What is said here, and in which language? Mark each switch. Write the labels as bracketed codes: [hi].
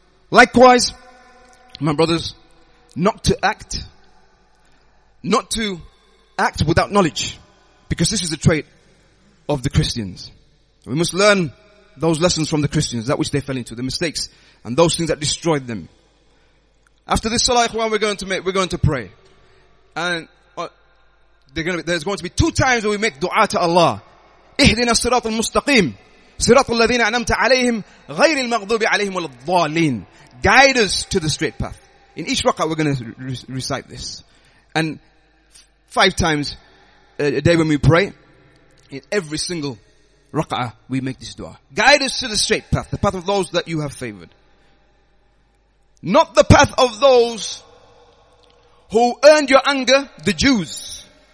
[en] Likewise, my brothers, not to act without knowledge, because this is a trait of the Christians. We must learn those lessons from the Christians, that which they fell into, the mistakes and those things that destroyed them. After this salah, ikhwan, we're going to pray. And there's going to be two times when we make dua to Allah. [ar] اهدنا الصراط المستقيم صراط الذين أنعمت عليهم غير المغضوب عليهم ولا الضالين. [en] Guide us to the straight path. In each rak'ah we're going to recite this. And five times a day when we pray, in every single rak'ah we make this dua. Guide us to the straight path, the path of those that you have favored. Not the path of those who earned your anger, the Jews.